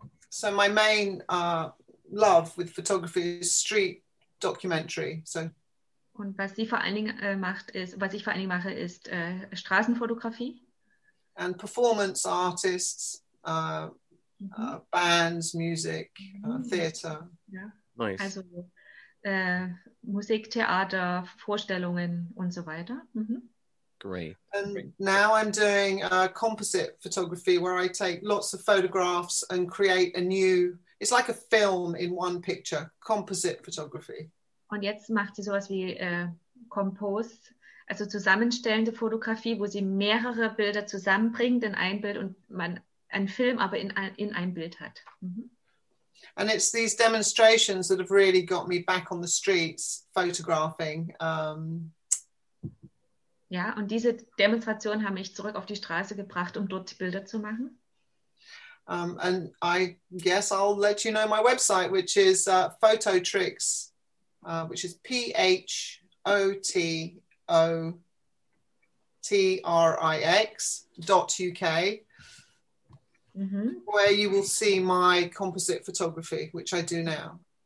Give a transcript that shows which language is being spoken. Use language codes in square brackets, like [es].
[en] So my main love with photography is street documentary. So. [de] Und was sie vor allen Dingen macht ist, was ich vor allen Dingen mache, ist Straßenfotografie. [en] And performance artists, bands, music, theater. [de] Ja. [en] Nice. [de] Also Musik, Theater, Vorstellungen und so weiter. [en] Great. And great. Now I'm doing composite photography where I take lots of photographs and create a new, it's like a film in one picture, composite photography. [de] Und jetzt macht sie sowas wie Compose, also zusammenstellende Fotografie, wo sie mehrere Bilder zusammenbringt in ein Bild und man einen Film aber in ein Bild hat. Mm-hmm. [en] And it's these demonstrations that have really got me back on the streets photographing. [de] Ja, und diese Demonstrationen haben mich zurück auf die Straße gebracht, um dort Bilder zu machen. [en] And I guess I'll let you know my website, which is Phototrix, which is phototrix.uk, where you will see my composite photography, which I do now.